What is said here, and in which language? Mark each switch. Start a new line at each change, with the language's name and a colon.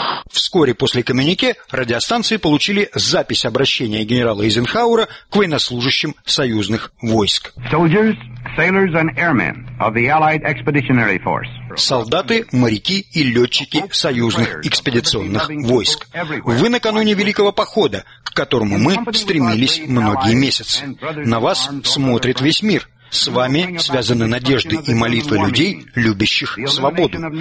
Russian: Вскоре после коммюнике радиостанции получили запись обращения генерала Эйзенхауэра к военнослужащим союзных войск.
English: Soldiers, sailors and airmen of the Allied Expeditionary Force.
Russian: Солдаты, моряки и летчики союзных экспедиционных войск. Вы накануне великого похода, к которому мы стремились многие месяцы. На вас смотрит весь мир. С вами связаны надежды и молитвы людей, любящих свободу.